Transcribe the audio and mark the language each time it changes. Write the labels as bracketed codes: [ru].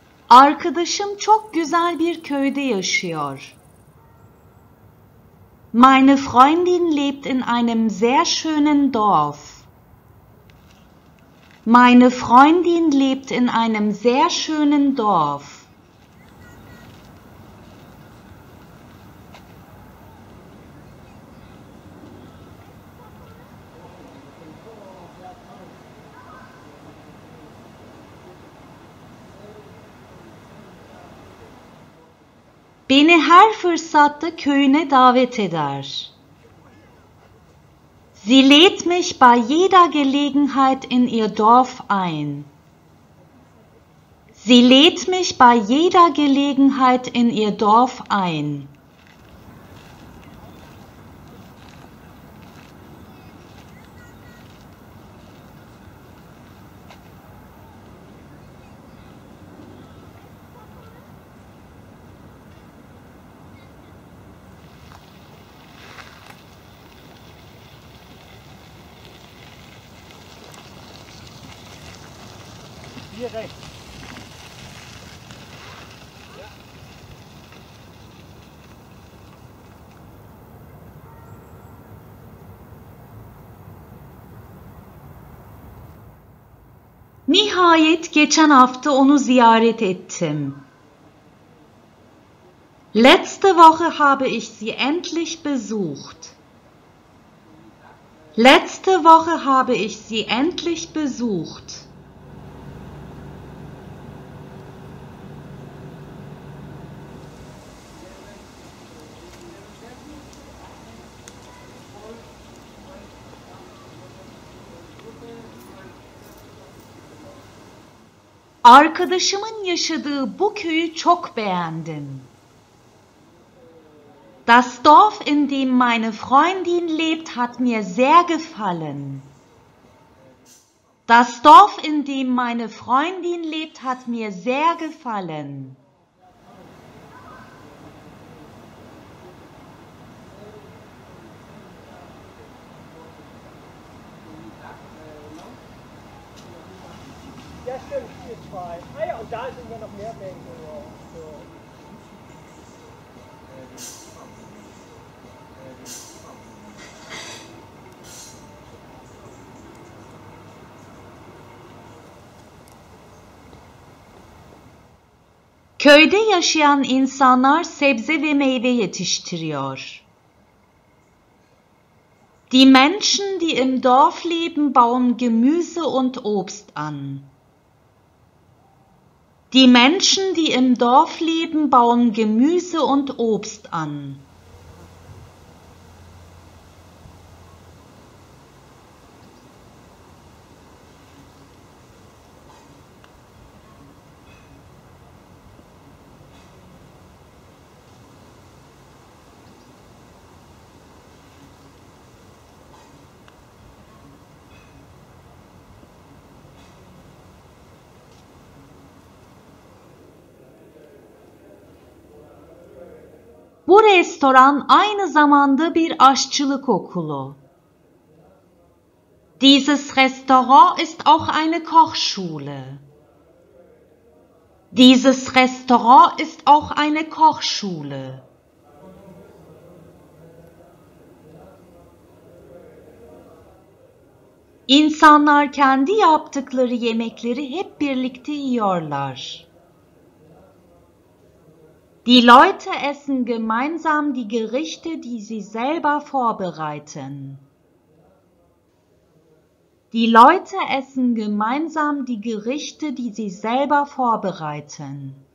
[tr] Arkadaşım çok güzel bir köyde yaşıyor. [de] Meine Freundin lebt in einem sehr schönen Dorf. Meine Freundin lebt in einem sehr schönen Dorf. [tr] Beni her fırsatta köyüne davet eder. [de] Sie lädt mich bei jeder Gelegenheit in ihr Dorf ein. Sie lädt mich bei jeder Gelegenheit in ihr Dorf ein. Hier rechts. [tr] Nihayet geçen hafta onu ziyaret ettim. [de] Letzte Woche habe ich sie endlich besucht. Letzte Woche habe ich sie endlich besucht. [tr] Arkadaşımın yaşadığı bu köyü çok beğendim. [de] Das Dorf, in dem meine Freundin lebt, hat mir sehr gefallen. Das Dorf, in dem meine Freundin lebt, hat mir sehr gefallen. Ja, stimmt, hier zwei. Ah ja, und da sind ja noch mehr Bänke. So. [tr] Köyde yaşayan insanlar sebze ve meyve yetiştiriyor. [de] Die Menschen, die im Dorf leben, bauen Gemüse und Obst an. Die Menschen, die im Dorf leben, bauen Gemüse und Obst an. [tr] Bu restoran aynı zamanda bir aşçılık okulu. [de] Dieses Restaurant ist auch eine Kochschule. Dieses Restaurant ist auch eine Kochschule. [tr] İnsanlar kendi yaptıkları yemekleri hep birlikte yiyorlar. [de] Die Leute essen gemeinsam die Gerichte, die sie selber vorbereiten. Die Leute essen gemeinsam die Gerichte, die sie selber vorbereiten.